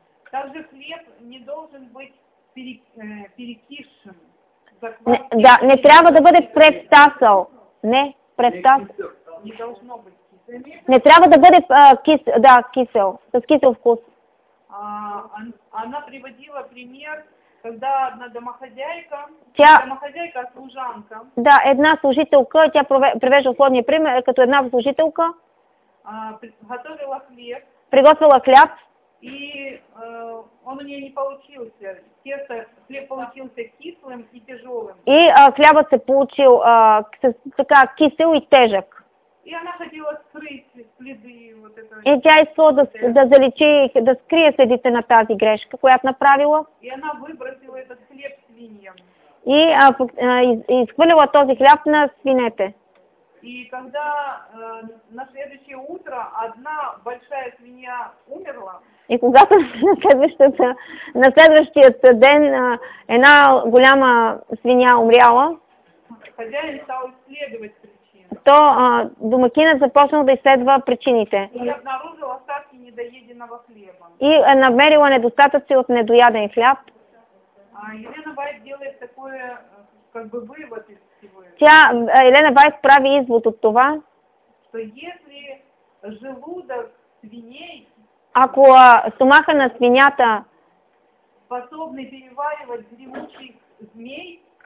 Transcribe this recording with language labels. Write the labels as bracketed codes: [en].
[ru] Также хлеб не должен быть перекисшим. [bg] Да, не трябва да бъде предтасъл. Не, предтасъл. [ru] Не должно быть кисел. [bg] Не трябва да бъде кисел. С кисел вкус. [ru] Она приводила пример. Когда одна домохозяйка, служанка. [bg] Да, една служителка, тя привежда условния пример, като една служителка. [ru] Готовила хлеб. [bg] Приготвила хляб. [ru] И он у нее не получился. Тесто, хлеб получился кислым и тяжелым. [bg] И хлябът се получил така кисел и тежък. [ru] И она хотела скрыть следы вот этого. [bg] И тя искала да заличи, да скрие следите на тази грешка, която направила. [ru] И она выбросила этот хлеб свиньям. [bg] И изхвърлила този хляб на свинете. [ru] И когда на следующее утро одна большая свинья умерла. [bg] И когато на следващия ден една голяма свинья умряла. [ru] Хозяин стал исследовать. [bg] То домакинът започнал да изследва причините. [ru] И обнаружила остатки недоеденого хлеба. [bg] И намерила недостатъци от недояден хляб. [ru] Елена Вайт делает такое, как бы вывод из всего. [bg] Елена Вайт прави извод от това. [ru] Что если желудок свиней, [bg] ако стомаха на свинята [ru] способны переваривать дремучих змей,